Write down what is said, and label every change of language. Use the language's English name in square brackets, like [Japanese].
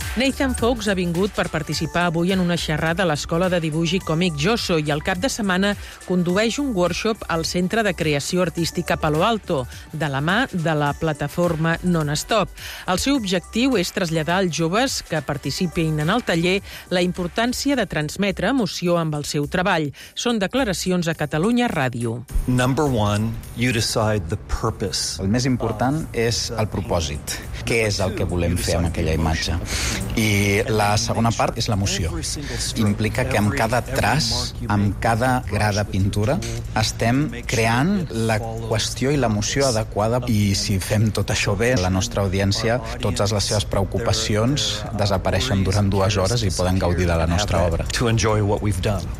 [Catalan] Nathan Fawkes ha vingut per participar avui en una xerrada a l'Escola de Dibuix i Còmic Josso i el cap de setmana condueix un workshop al Centre de Creació Artística Palo Alto, de la mà de la plataforma Nonstop. El seu objectiu és traslladar als joves que participin en el taller la importància de transmetre emoció amb el seu treball. Són declaracions a Catalunya Ràdio. [English] Number one, you decide the purpose. [Catalan] El més important és el propòsit. què és el que volem fer amb aquella imatge. I la segona part és l'emoció. Implica que amb cada traç, amb cada gra de pintura, estem creant la qüestió i l'emoció adequada, i si fem tot això bé, la nostra audiència, totes les seves preocupacions desapareixen durant dues hores i poden gaudir de la nostra obra.